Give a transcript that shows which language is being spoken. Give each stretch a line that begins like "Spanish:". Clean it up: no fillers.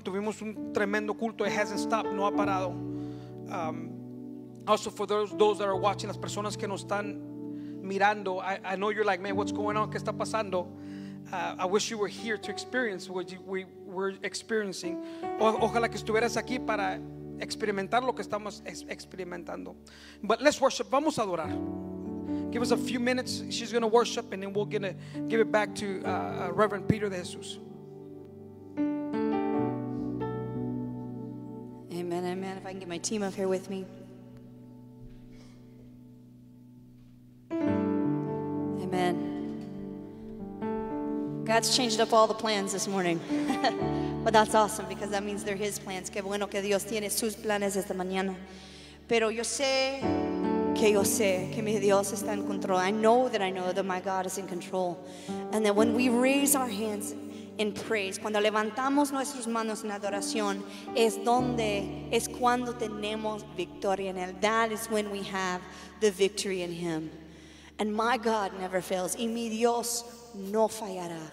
Spanish: Tuvimos un tremendo culto.
English: It hasn't stopped.
Spanish: No ha parado.
English: Also, for those that are watching,
Spanish: las personas que nos están mirando,
English: I know you're like, man, what's going on?
Spanish: ¿Qué está pasando?
English: I wish you were here to experience what we were experiencing.
Spanish: Ojalá que estuvieras aquí para experimentar lo que estamos experimentando.
English: But let's worship.
Spanish: Vamos a adorar.
English: Give us a few minutes. She's going to worship, and then we're going to give it back to Reverend Peter de Jesus. Amen, amen. If I can get my team up here with me. Amen. God's changed up all the plans this morning. But that's awesome, because that means they're His plans.
Spanish: Qué bueno que Dios tiene sus planes esta mañana. Pero yo sé que mi Dios está en control.
English: I know that my God is in control. And that when we raise our hands in praise,
Spanish: cuando levantamos nuestras manos en adoración, es cuando tenemos victoria en Él.
English: That is when we have the victory in Him. And my God never fails.
Spanish: Y mi Dios no fallará.